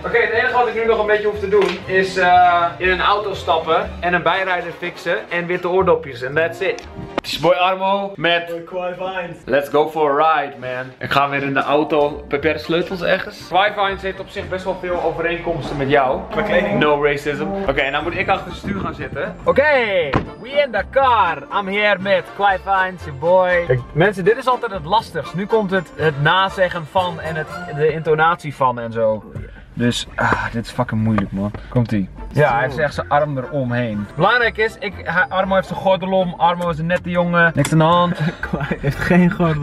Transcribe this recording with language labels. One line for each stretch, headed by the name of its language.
Dutch: Oké, het enige wat ik nu nog een beetje hoef te doen. Is in een auto stappen en een bijrijder fixen en witte oordopjes en
English: that's it.
Dutch: Het is boy Armo met Quivines.
English: Let's go for a ride, man.
Dutch: Ik ga weer in de auto. Heb jij de sleutels ergens? Quivines heeft op zich best wel veel overeenkomsten met jou. Qua kleding.
English: No racism.
Dutch: Oké, nou moet ik achter het stuur gaan zitten.
English: Oké, we in the car. I'm here
Dutch: met
English: Quivines, your boy.
Dutch: Kijk, mensen, dit is altijd het lastigst. Nu komt het nazeggen van en de intonatie van en zo. Dus, dit is fucking moeilijk, man. Komt-ie. Ja, hij heeft echt zijn arm eromheen. Belangrijk is, Armo heeft zijn gordel om. Armo is een nette jongen. Niks aan de hand. Kwai heeft geen gordel.